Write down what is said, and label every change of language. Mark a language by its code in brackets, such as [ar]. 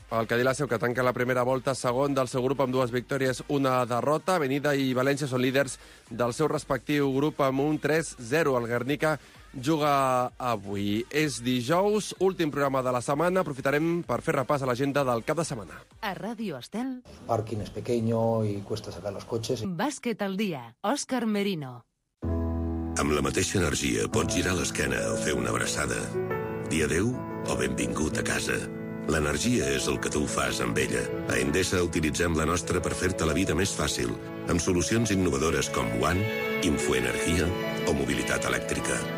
[ca] El Cadí-Laseu, que tanca la primera volta segon del seu grup amb dues victòries, una derrota. Avenida i València són líders del seu respectiu grup amb un 3-0. El Guernica juga avui. És dijous, últim programa de la setmana. Aprofitarem per fer repàs a l'agenda del cap de setmana. A Ràdio Estel. [es] Parking es pequeño y cuesta sacar los coches. [ca] Bàsquet al dia. Òscar Merino. Amb la mateixa energia pots girar l'esquena o fer una abraçada. Dia adéu o benvingut a casa. L'energia és el que tu fas amb ella. A Endesa utilitzem la nostra per fer-te la vida més fàcil, amb solucions innovadores com One, Infoenergia o Mobilitat Elèctrica.